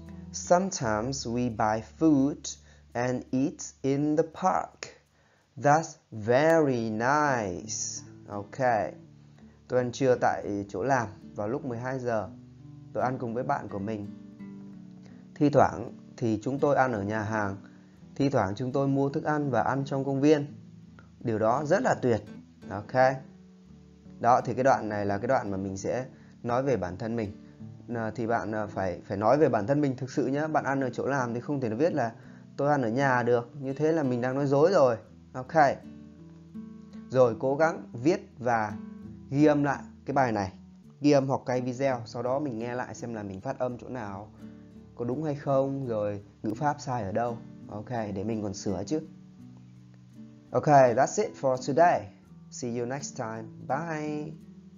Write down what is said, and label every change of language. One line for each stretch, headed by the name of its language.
English: Sometimes we buy food and eat in the park. That's very nice. Okay.
Vietnamese: Tôi ăn trưa tại chỗ làm vào lúc 12 giờ. Tôi ăn cùng với bạn của mình. Thi thoảng thì chúng tôi ăn ở nhà hàng. Thi thoảng chúng tôi mua thức ăn và ăn trong công viên. Điều đó rất là tuyệt. Ok. Đó thì cái đoạn này là cái đoạn mà mình sẽ nói về bản thân mình. Thì bạn phải nói về bản thân mình thực sự nhé. Bạn ăn ở chỗ làm thì không thể viết là tôi ăn ở nhà được. Như thế là mình đang nói dối rồi. Ok. Rồi cố gắng viết và ghi âm lại cái bài này. Ghi âm hoặc cái video. Sau đó mình nghe lại xem là mình phát âm chỗ nào có đúng hay không, rồi ngữ pháp sai ở đâu. Ok, để mình còn sửa chứ.
English: Okay, that's it for today. See you next time. Bye.